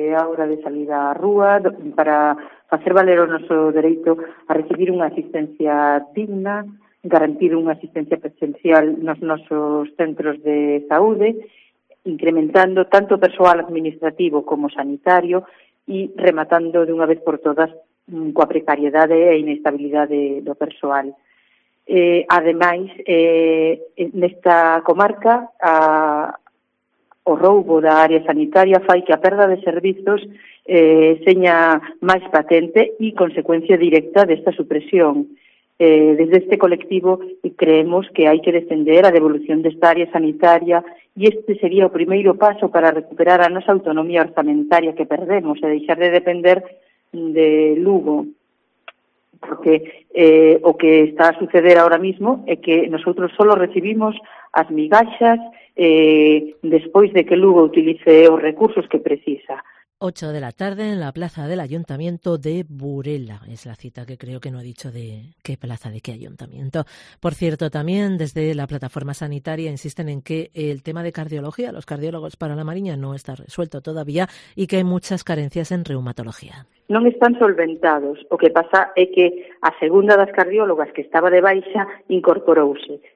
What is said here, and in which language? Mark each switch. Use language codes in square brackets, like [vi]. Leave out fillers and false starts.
[es] Ahora de salida a Rúa para hacer valer o nuestro derecho a recibir una asistencia digna, garantir una asistencia presencial en nuestros centros de salud, incrementando tanto personal administrativo como sanitario, y rematando de una vez por todas [gl] coa precariedade e inestabilidade do persoal. Ademais, nesta comarca, o roubo da área sanitaria fai que a perda de servizos seña máis patente e consecuencia directa desta supresión. Desde este colectivo creemos que hai que defender a devolución desta área sanitaria e este sería o primeiro paso para recuperar a nosa autonomía orzamentaria que perdemos e deixar de depender de Lugo. Porque o que está a suceder [es] ahora mismo [gl] é que [es] nosotros solo [gl] recibimos as migaxas despois de que Lugo utilice os recursos que precisa. [es] 8 de la tarde en la plaza del Ayuntamiento de Burela. Es la cita que creo que no he dicho de qué plaza, de qué ayuntamiento. Por cierto, también desde la plataforma sanitaria insisten en que el tema de cardiología, los cardiólogos para la Mariña, no está resuelto todavía y que hay muchas carencias en reumatología. [gl] Non están solventados. O que pasa é que a segunda das cardiólogas que estaba de baixa incorporouse.